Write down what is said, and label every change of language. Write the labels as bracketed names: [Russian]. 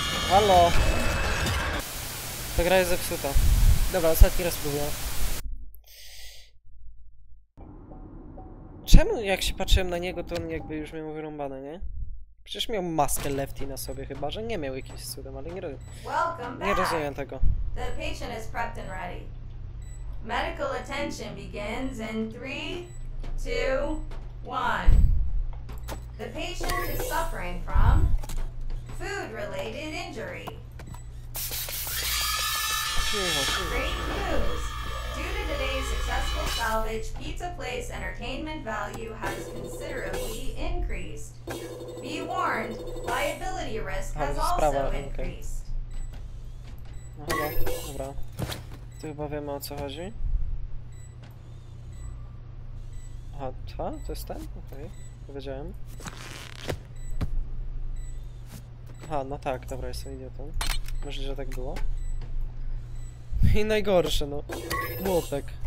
[Polish] Halo. Ta gra jest zepsuta. Dobra, ostatni raz próbuję. Czemu jak się patrzyłem na niego, to on jakby już miał wyrąbane, nie? Przecież miał maskę Lefty na sobie, chyba że nie miał jakimś cudem, ale nie rozumiem. Nie rozumiem tego. [English] The patient is prepped and ready. Medical attention begins in 3, 2, 1. The patient is suffering from food-related injury. Great news! Due to today's successful salvage, Pizza Place entertainment value has considerably increased. Be warned, liability risk has also increased. [Polish] No chyba, dobra. Tu chyba wiemy, o co chodzi. Aha, to? To jest ten? Okej, powiedziałem. Aha, no tak, dobra, jestem idiotą. Myślę, że tak było. I najgorsze, no. Młotek.